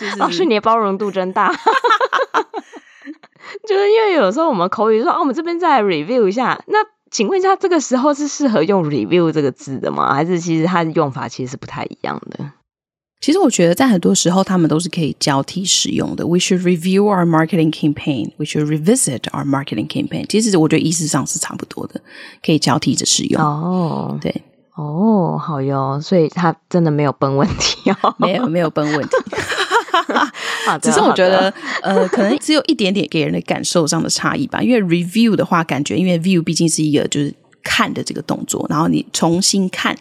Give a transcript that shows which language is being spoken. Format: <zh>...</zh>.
<zh>老师你的包容度真大。就是因为有时候我们口语说哦，我们这边再来 review 一下。那请问一下，这个时候是适合用 review 这个字的吗？还是其实它的用法其实是不太一样的？其实我觉得在很多时候他们都是可以交替使用的。</zh> <en>We should review our marketing campaign， We should revisit our marketing campaign，</en> <zh>其实我觉得意思上是差不多的，可以交替着使用。哦、oh. 对，哦、oh, 好哟，所以他真的没有笨问题哦。没有笨问题。好的，只是我觉得可能只有一点点给人的感受上的差异吧。因为 review 的话感觉，因为 view 毕竟是一个就是看的这个动作，然后你重新看、</zh>